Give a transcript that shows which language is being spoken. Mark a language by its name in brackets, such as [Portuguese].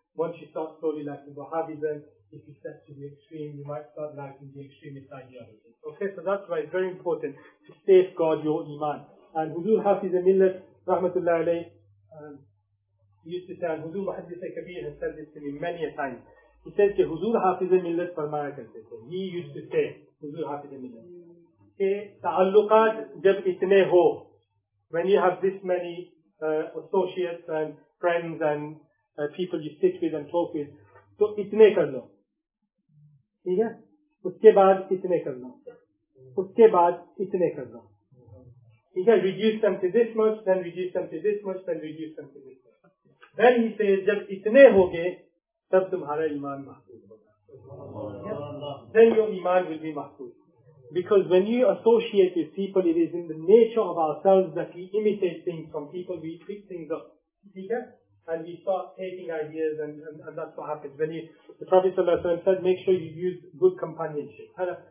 [English] Once you start slowly liking Wahhabism, if you step to the extreme, you might start liking the extremist ideology. Okay, so that's why it's very important to safeguard your iman. And Huzur Hafiz Millat, rahmatullah alayhi, used to say, and Huzur Muhaddis Kabir has said this to me many a time. He said, [Urdu] کے حضور حافظ ملت فرمایا کرتے تھے۔ [English] He used to say, Huzur Hafiz Millat, [Urdu] ke ta'alluqat jab itne ho, [English] when you have this many associates and friends and people you sit with and talk with, so [Urdu] itne kar lo. اس کے بعد اتنے کر لو۔ اس کے بعد اتنے کر لو۔ [English] Reduce them to this much, then reduce them to this much, then reduce them to this much. Then he says, [Urdu] جب اتنے ہوگے، تب تمہارا ایمان محفوظ ہوگا۔ [English] Then your iman will be mahfooz. Because when you associate with people, it is in the nature of ourselves that we imitate things from people, we pick things up. And we start taking ideas, and that's what happens. When the Prophet Sallallahu Alaihi Wasallam said, make sure you use good companionship.